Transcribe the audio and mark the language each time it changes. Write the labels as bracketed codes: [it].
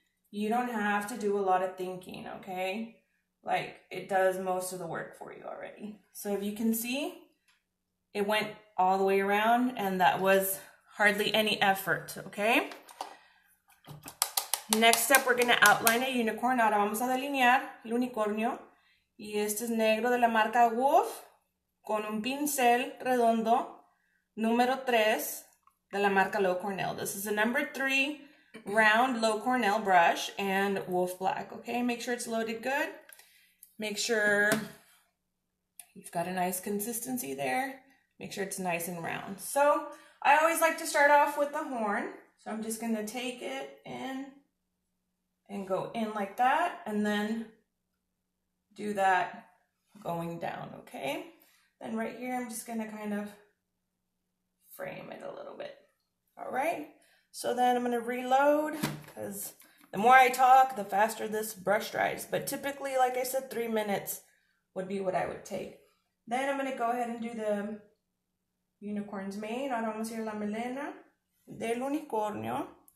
[en] You don't have to do a lot of thinking, okay? Like, it does most of the work for you already. So if you can see, it went all the way around, and that was hardly any effort, okay? Next up, we're going to outline a unicorn. [es] Ahora vamos a delinear el unicornio. Y este es negro de la marca Wolf con un pincel redondo. Número 3 de la marca Low Cornell. [en] This is a number 3 round Low Cornell brush and Wolf Black. Okay, make sure it's loaded good. Make sure you've got a nice consistency there. Make sure it's nice and round. So I always like to start off with the horn. So I'm just going to take it in and go in like that. And then do that going down. Okay, then right here, I'm just going to kind of frame it a little bit. All right, so then I'm going to reload, because the more I talk, the faster this brush dries. But typically, like I said, 3 minutes would be what I would take. Then I'm going to go ahead and do the unicorn's mane. [es] Ahora vamos a hacer la melena del unicornio.